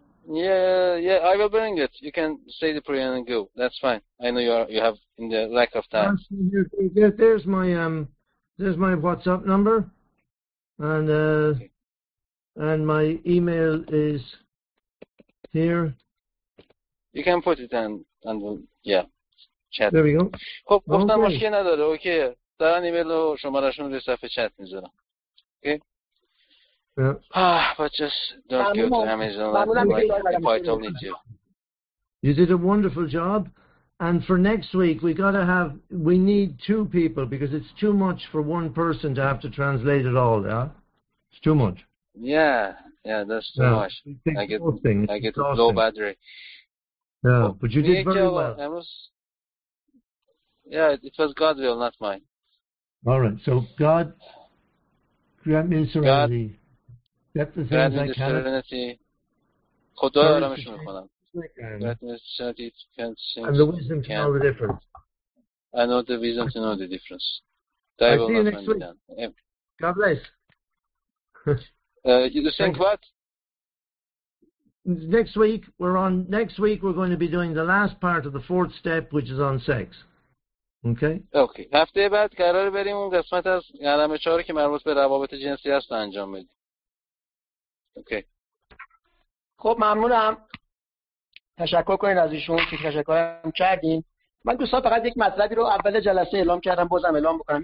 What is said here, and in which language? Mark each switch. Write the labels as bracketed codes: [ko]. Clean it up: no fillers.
[en] Yeah, I will bring it. You can say the prayer and go. That's fine. I know you have in the lack of time. There's my WhatsApp number, and and my email is here. You can put it and yeah, chat. There we go. [fa] خب گفتم مشکل نداره. اوکی. دارن ایمیل و شماره شون رو صفحه چت میذارم. اوکی. [en] Ah, but just don't give to Amazon like Python needs you. You did a wonderful job. And for next week, we got to have, we need two people because it's too much for one person to have to translate it all, yeah? It's too much. Yeah, that's too much. I get low battery. Yeah, but you did very well. It was God's will, not mine. All right, so God, grant me serenity. Grant me serenity. God, I am and the wisdom to know the difference. I know the wisdom to know the difference. I see you next week. God bless. You think what? Next week we're on. Next week we're going to be doing the last part of the fourth step, which is on sex. Okay. [fa] هفته بعد قرار بریم اون قسمت از قلمه 4 که مربوط به روابط جنسی است انجام بدیم. [en] Okay. [fa] خب ممنونم. تشکر کنید از ایشون که تشکر هم کردین. من دوستان فقط یک مطلبی رو اول جلسه اعلام کردم، بازم اعلام بکنم.